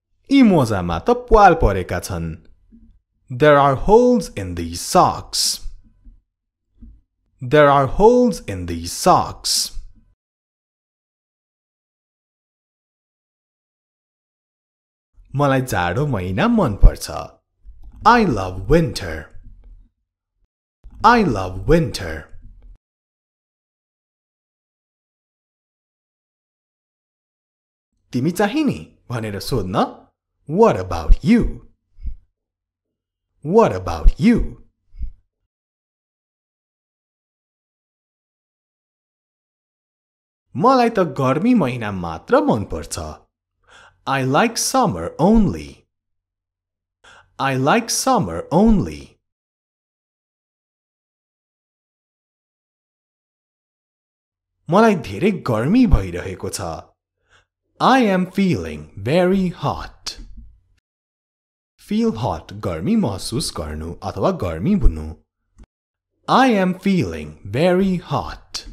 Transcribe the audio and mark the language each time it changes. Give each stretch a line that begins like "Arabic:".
Nepali: यी मोजामा त प्वाल परेका छन्.
English: There are holes in these socks. There are holes in these socks.
Nepali: मलाई जाडो महिना मन पर्छ.
English: I love winter. I love winter.
Nepali: तिमी चाहिने भनेर सोध्न.
English: What about you? What about you?
Nepali: मलाई त गर्मी महिना मात्र मन पर्छ.
English: I like summer only. I like summer only.
Nepali: मलाई धेरै गर्मी भइरहेको छ.
English: I am feeling very hot. Feel hot,
Nepali: गर्मी महसुस गर्नु अथवा गर्मी भुनु.
English: I am feeling very hot.